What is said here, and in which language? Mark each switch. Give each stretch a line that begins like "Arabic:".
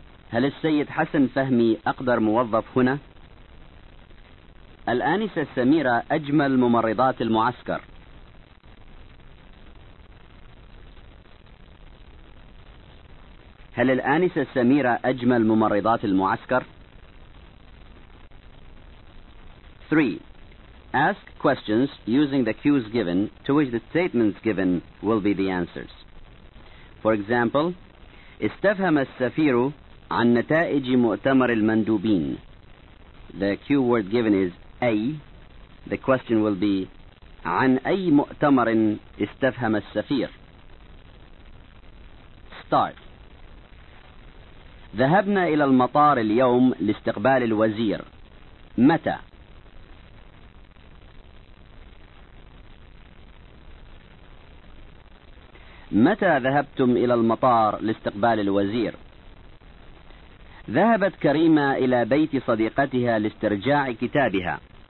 Arabic: هل السيد حسن فهمي أقدر موظف هنا؟ الآنسة سميرة أجمل ممرضات المعسكر. هل الآنسة سميرة أجمل ممرضات المعسكر؟ 3.
English: Ask questions using the cues given to which the statements given will be the answers. For example,
Arabic: استفهم السفير عن نتائج مؤتمر المندوبين.
English: The cue word given is أي. The question will be
Arabic: عن أي مؤتمر استفهم السفير.
English: Start.
Arabic: ذهبنا إلى المطار اليوم لاستقبال الوزير. متى؟ متى ذهبتم إلى المطار لاستقبال الوزير؟ ذهبت كريمة إلى بيت صديقتها لاسترجاع كتابها.